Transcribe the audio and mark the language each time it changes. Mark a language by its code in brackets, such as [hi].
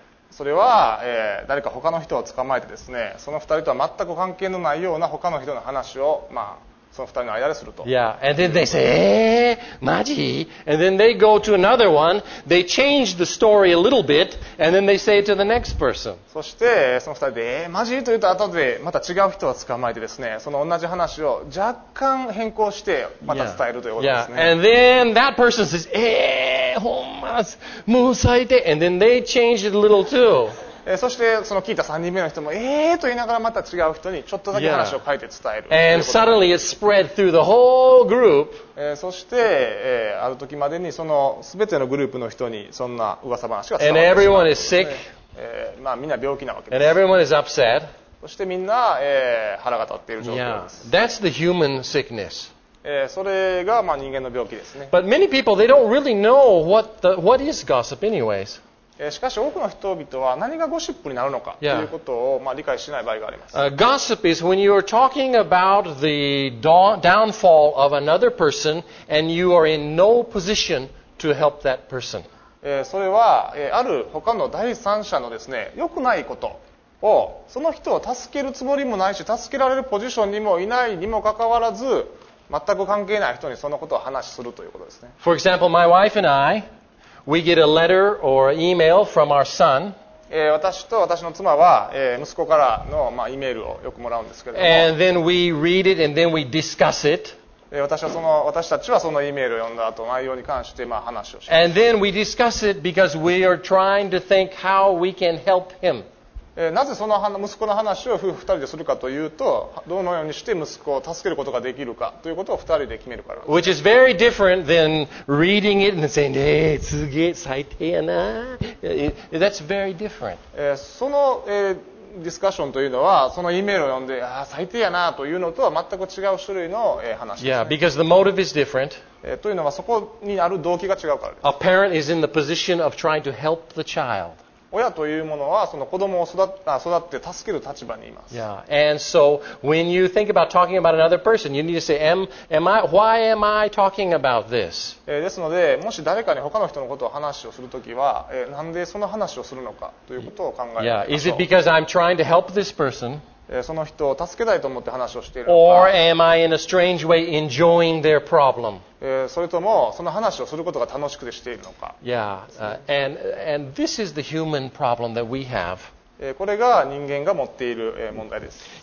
[ja] それは、誰か他の人を捕まえてですね、その二人とは全く関係のないような他の人の話を、まあ、その二人の間ですると。 [en] Yeah, and then they say, [ja] マジ？ [en] And then they go to another one, they change the story a little bit, and then they say to the next person. [ja] そしてその二人で、マジ？と言った後でまた違う人を捕まえてですね、その同じ話を若干変更してまた伝えるということですね。 [en] Yeah, and then that person says, [ja] ほんま、もう最低。 [en] And then they change it a little too. [ja] そしてその聞いた3人目の人もと言いながらまた違う人にちょっとだけ話を書いて伝える、 [en] And suddenly it spread through the whole group. [ja] そして、ある時までにその全てのグループの人にそんな噂話が伝わってしまう、ね、 [en] And everyone is sick. [ja] まあみんな病気なわけです [en] And everyone is upset. [ja] そしてみんな、腹が立っている状況です、 [en] yeah. That's the human sickness. [ja] それがまあ人間の病気ですね [en] But many people they don't really know what is gossip anyways. [ja] しかし多くの人々は何がゴシップになるのかということをまあ理解しない場合があります。 [en] Gossip is when you are talking about the downfall of another person and you are in no position to help that person. [ja] それはある他の第三者のですね、良くないことをその人を助けるつもりもないし助けられるポジションにもいないにもかかわらず全く関係ない人にそのことを話するということですね。 [en] For example, my wife and I,We get a letter or email from our son. [ja] 私と私の妻は息子からのまあ、メールをよくもらうんですけれども。 [en] And then we read it and then we discuss it. [ja] 私たちはそのメールを読んだ後、内容に関してまあ話をします。 [en] And then we discuss it because we are trying to think how we can help him. [ja] なぜその息子の話を夫婦二人でするかというと、どのようにして息子を助けることができるかということを二人で決めるからです。 [en] Which is very different than reading it and saying, [ja] すげえ最低やな。 [en] That's very different. [ja] そのディスカッションというのは、そのメールを読んで、最低やなというのとは全く違う種類の話です、ね。 [en] Yeah, because the motive is different. [ja] というのはそこにある動機が違うからです。 [en] A parent is in the position of trying to help the child. [ja] 親というものはその子供を育って助ける立場にいます。 [en] Yeah. And so when you think about talking about another person, you need to say, why am I talking about this? [ja] ですので、もし誰かに他の人のことを話をするときは、なんでその話をするのかということを考えましょう。 [en] Yeah. Is it because I'm trying to help this person? [ja] その人を助けたいと思って話をしているのか。 [en] Or am I in a strange way enjoying their problem? [ja] それともその話をすることが楽しくてしているのか。 [en] Yeah, and this is the human problem that we have. [ja] これが人間が持っている問題です。